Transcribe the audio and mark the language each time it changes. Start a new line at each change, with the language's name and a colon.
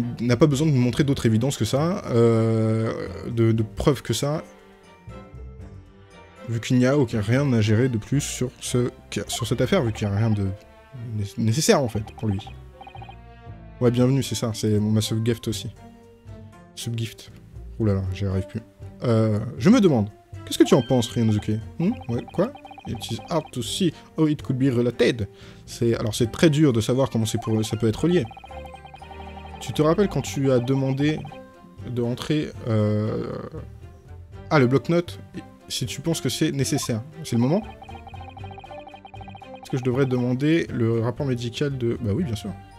French: n'a pas besoin de montrer d'autres évidences que ça, de preuves que ça, vu qu'il n'y a aucun rien à gérer de plus sur cette affaire, vu qu'il n'y a rien de nécessaire, en fait, pour lui. Ouais, bienvenue, c'est ça, c'est ma subgift aussi. Subgift. Oulala, j'y arrive plus. Je me demande, qu'est-ce que tu en penses, Ryanosuke? Ouais, quoi?
English: It is hard to see how it could be related.
French: Alors c'est très dur de savoir comment ça peut être lié. Tu te rappelles quand tu as demandé de rentrer le bloc-notes, si tu penses que c'est nécessaire? C'est le moment? Est-ce que je devrais demander le rapport médical de... Bah oui, bien sûr.